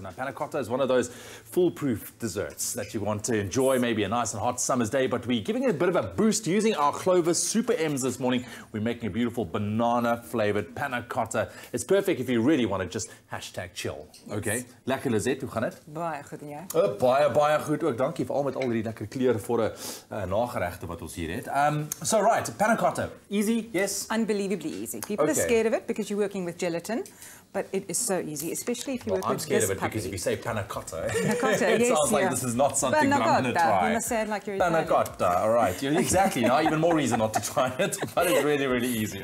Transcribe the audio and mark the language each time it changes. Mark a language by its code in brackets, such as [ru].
[en] Now, panna cotta is one of those foolproof desserts that you want to enjoy maybe a nice and hot summer's day. But we're giving it a bit of a boost using our Clover Super M's this morning. We're making a beautiful banana-flavored panna cotta. It's perfect if you really want to just hashtag chill. Yes. Okay. [af] Lekker, Lizette. Hoe gaan het? Baie goed, en jy? Baie, baie goed ook. Dankie vooral met al die lekker kleuren voor de nagerechte wat ons hier het. [en] So right, panna cotta, easy, yes? Unbelievably easy. People are scared of it because you're working with gelatin, but it is so easy, especially if you work with this puppy. I'm scared of it because if you say panna cotta, it sounds like this is not something that I'm going to try. You must say it like you're Italian. Panna cotta, all right. Exactly, now even more reason not to try it, but it's really, really easy.